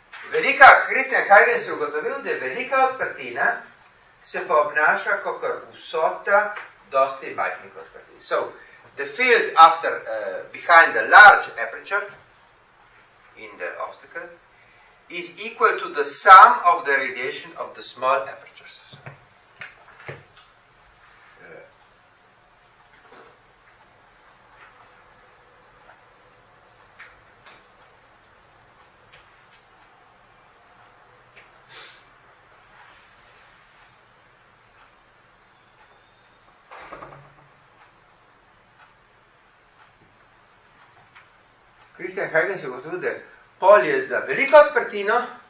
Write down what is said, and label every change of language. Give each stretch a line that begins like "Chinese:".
Slovenian: Velika, Christian Huygens je ugotovil, da velika odprtina se pa obnaša kot vsota dosti majhnih odprtin.
English: So, the field after, behind the large aperture in the obstacle is equal to the sum of the radiation of the small apertures.
Slovenian: So, Christian Huygens je gotovil, da polje za veliko odprtino